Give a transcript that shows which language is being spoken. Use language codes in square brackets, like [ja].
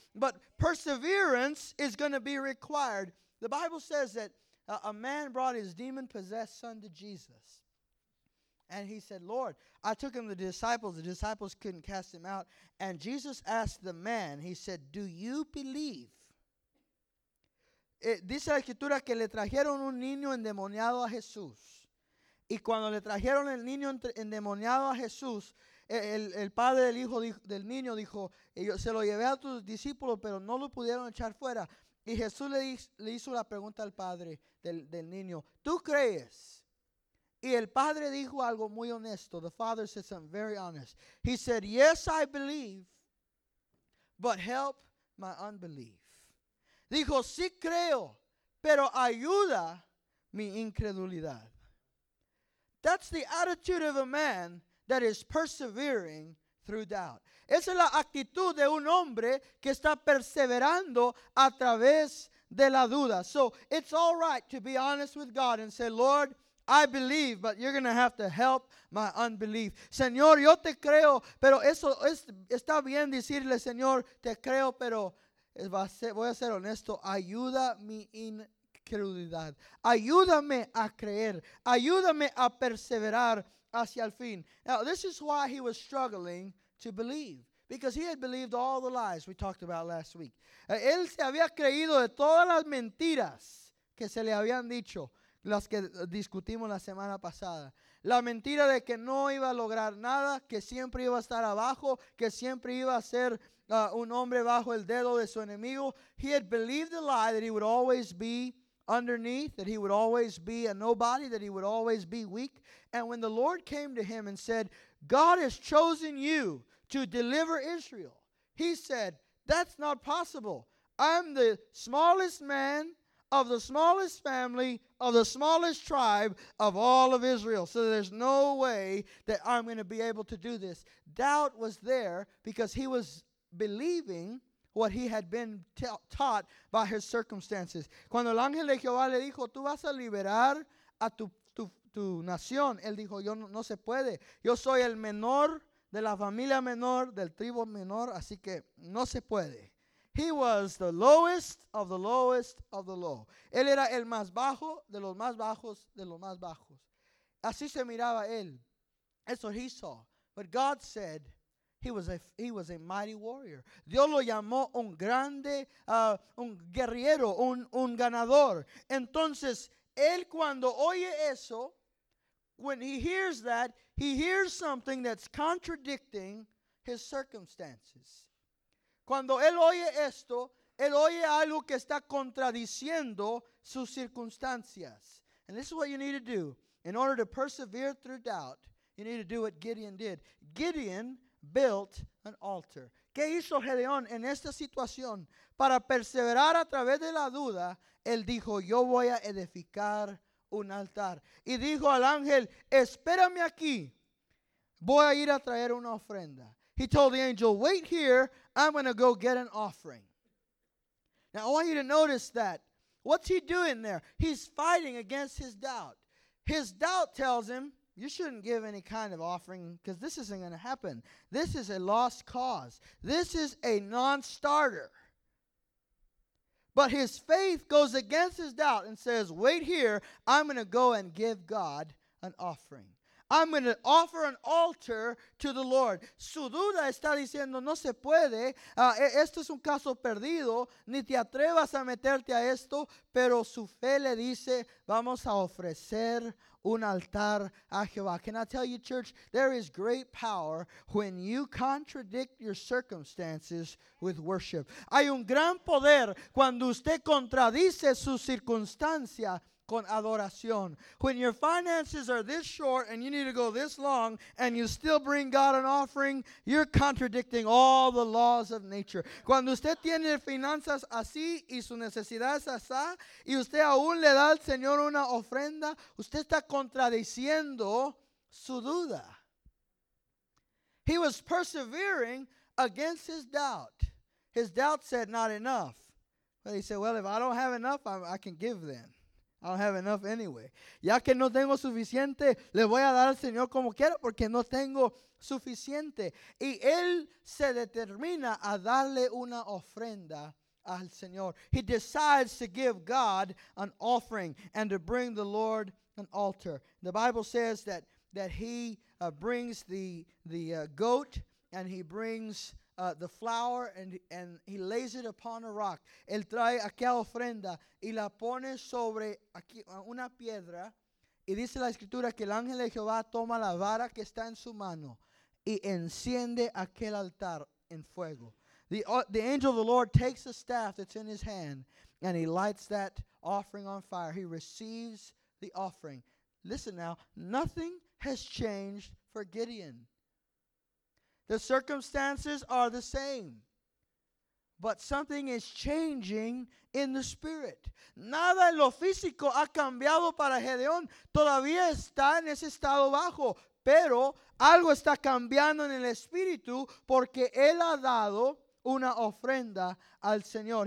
[en] But perseverance is going to be required. The Bible says that a man brought his demon-possessed son to Jesus. And he said, Lord, I took him to the disciples. The disciples couldn't cast him out. And Jesus asked the man, he said, do you believe? [es] Dice la escritura que le trajeron un niño endemoniado a Jesús. Y cuando le trajeron el niño endemoniado a Jesús, el padre del hijo del niño dijo, se lo llevé a tus discípulos, pero no lo pudieron echar fuera. Y Jesús le hizo la pregunta al padre del niño, ¿tú crees? Y el padre dijo algo muy honesto. [en] The father said something very honest. He said, yes, I believe, but help my unbelief. [es] Dijo, sí creo, pero ayuda mi incredulidad. [en] That's the attitude of a man that is persevering through doubt. [es] Esa es la actitud de un hombre que está perseverando a través de la duda. [en] So it's all right to be honest with God and say, Lord, I believe, but you're going to have to help my unbelief. [es] Señor, yo te creo, pero eso está bien decirle, Señor, te creo, pero voy a ser honesto. Ayuda mi incredulidad. Ayúdame a creer. Ayúdame a perseverar hacia el fin. [en] Now, this is why he was struggling to believe, because he had believed all the lies we talked about last week. [es] Él se había creído de todas las mentiras que se le habían dicho. las que discutimos la semana pasada. La mentira de que no iba a lograr nada, que siempre iba a estar abajo, que siempre iba a ser un hombre bajo el dedo de su enemigo. [en] He had believed the lie that he would always be underneath, that he would always be a nobody, that he would always be weak. And when the Lord came to him and said, God has chosen you to deliver Israel, he said, that's not possible. I'm the smallest man of the smallest family, of the smallest tribe of all of Israel. So there's no way that I'm going to be able to do this. Doubt was there because he was believing what he had been taught by his circumstances. [es] Cuando el ángel de Jehová le dijo, tú vas a liberar a tu nación. Él dijo, yo no se puede. Yo soy el menor de la familia menor, del tribu menor, así que no se puede. [en] He was the lowest of the lowest of the low. [es] Él era el más bajo de los más bajos de los más bajos. Así se miraba él. [en] That's what he saw. But God said he was a mighty warrior. [es] Dios lo llamó un grande, un guerrero, un ganador. Entonces, él cuando oye eso, [en] when he hears that, he hears something that's contradicting his circumstances. [es] Cuando él oye esto, él oye algo que está contradiciendo sus circunstancias. [en] And this is what you need to do. In order to persevere through doubt, you need to do what Gideon did. Gideon built an altar. [es] ¿Qué hizo Gedeón en esta situación? Para perseverar a través de la duda, él dijo, yo voy a edificar un altar. Y dijo al ángel, espérame aquí, voy a ir a traer una ofrenda. [en] He told the angel, wait here, I'm going to go get an offering. Now I want you to notice that. What's he doing there? He's fighting against his doubt. His doubt tells him, you shouldn't give any kind of offering because this isn't going to happen. This is a lost cause. This is a non-starter. But his faith goes against his doubt and says, wait here, I'm going to go and give God an offering. I'm going to offer an altar to the Lord. [es] Su duda está diciendo, no se puede. Esto es un caso perdido. Ni te atrevas a meterte a esto. Pero su fe le dice, vamos a ofrecer un altar a Jehová. [en] Can I tell you, church, there is great power when you contradict your circumstances with worship. [es] Hay un gran poder cuando usted contradice su circunstancia con adoración. [en] When your finances are this short and you need to go this long and you still bring God an offering, you're contradicting all the laws of nature. [es] Cuando usted tiene finanzas así y su necesidad es así y usted aún le da al Señor una ofrenda, usted está contradiciendo su duda. [en] He was persevering against his doubt. His doubt said, not enough. But he said, well, if I don't have enough, I can give then. I don't have enough anyway. [es] Ya que no tengo suficiente, le voy a dar al Señor como quiera porque no tengo suficiente. Y él se determina a darle una ofrenda al Señor. [en] He decides to give God an offering and to bring the Lord an altar. The Bible says that he brings the goat and he brings the flour and he lays it upon a rock. [es] Él trae aquella ofrenda y la pone sobre aquí, una piedra. Y dice la escritura que el ángel de Jehová toma la vara que está en su mano y enciende aquel altar en fuego. [en] The angel of the Lord takes the staff that's in his hand and he lights that offering on fire. He receives the offering. Listen now, nothing has changed for Gideon. The circumstances are the same, but something is changing in the spirit. [es] Nada en lo físico ha cambiado para Gedeón. Todavía está en ese estado bajo, pero algo está cambiando en el espíritu porque él ha dado una ofrenda al Señor.